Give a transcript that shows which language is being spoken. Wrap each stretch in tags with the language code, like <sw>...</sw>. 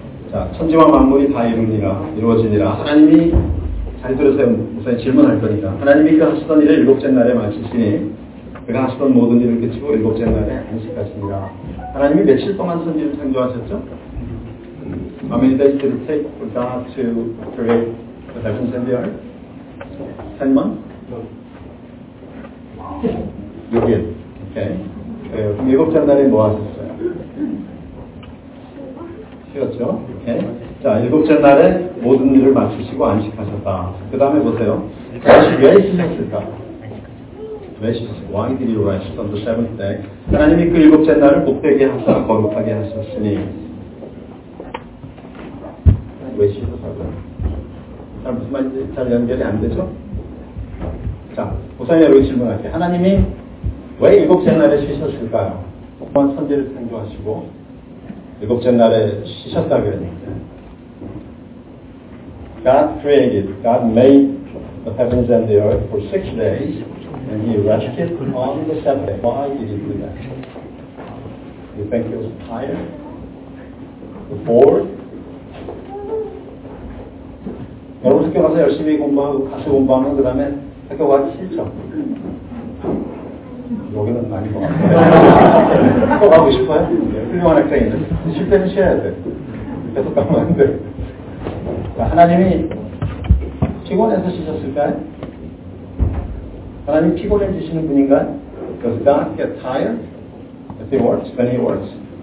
<ko>자, 천지와 만물이 다 이루니라, 이루어지니라. 하나님이, 잘 들으세요. 목사님 질문할 거니까. 하나님이 그 하시던 일을 일곱째 날에 마치시니, 그가 하시던 모든 일을 그치고 일곱째 날에 안식하시니라. 하나님이 며칠 동안 천지를 창조하셨죠?</ko> <en>How many days did it take for God to create the heavens and the earth? 10 months?</en> <ko>6일. 오케이. 그럼 일곱째 날에 뭐 하셨어요? 쉬었죠? 오케이. 자, 일곱째 날에 모든 일을 마치시고 안식하셨다. 그 다음에 보세요. 다시 왜 쉬셨을까? 왜 쉬셨어요?</ko> <en>Why did you rest on the seventh day?</en> <ko>하나님이 그 일곱째 날을 복되게 하사 거룩하게 하셨으니. 왜 쉬셨다고요? 잘 무슨 말인지 잘 연결이 안 되죠? 자, 우선 여러분 질문할게요. 하나님이 왜 일곱째 날에 쉬셨을까요? 또한 천지를 창조하시고 일곱째 날에 쉬셨다 그랬는데.</ko> <en>God created, God made the heavens and the earth for six days and he rested on the seventh day. Why did he do that? You think he was tired? Bored?</en> <ko>여러분 학교 가서 열심히 공부하고 가서 공부하면 그 다음에 학교 가기 싫죠? 여기는 많이 것 같아요. 학교 가고 싶어요? 훌륭한 학생이네. 쉴 때는 쉬어야 돼. 계속 가면 안 돼. 자, 하나님이 피곤해서 쉬셨을까요? 하나님 피곤해지시는 분인가요?</ko> <en>Does God get tired if he works, when he works?</en>